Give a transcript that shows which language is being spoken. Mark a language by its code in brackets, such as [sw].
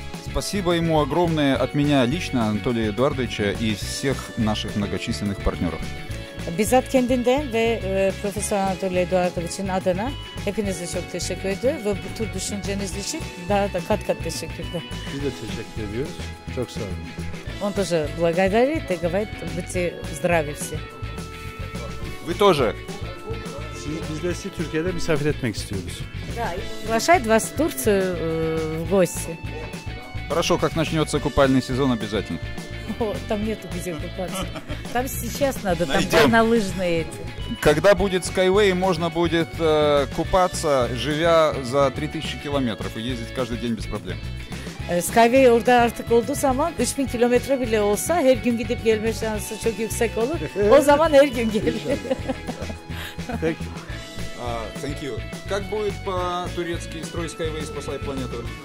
[ru] Спасибо ему огромное от меня лично, Анатолия Эдуардовича и всех наших многочисленных партнеров. [tr] Bizzat kendinden ve Profesör Anatoly Eduardovich'in adına hepinize çok teşekkür ediyorum ve bu tür düşünceniz için daha da kat kat teşekkür ederim. Biz de teşekkür ediyoruz. Çok sağ olun. [ru] Он тоже благодарит и говорит, будьте здравы все. Вы тоже. [tr] Biz de sizi Türkiye'de misafir etmek istiyoruz. [ru] Приглашает вас в Турцию в гости. Хорошо, как начнется купальный сезон обязательно. Там нету где купаться. Там сейчас надо, там горнолыжные эти. Когда будет Skyway, можно будет купаться, живя за 3000 километров и ездить каждый день без проблем. [tr] Skyway orada artık olduğu zaman 3000 kilometre bile olsa her gün gidip gelme şansı çok yüksek olur. O zaman her gün gelir. [en] Thank you. Thank you. [ru] Как будет по-турецки строй Skyway, спасай планету?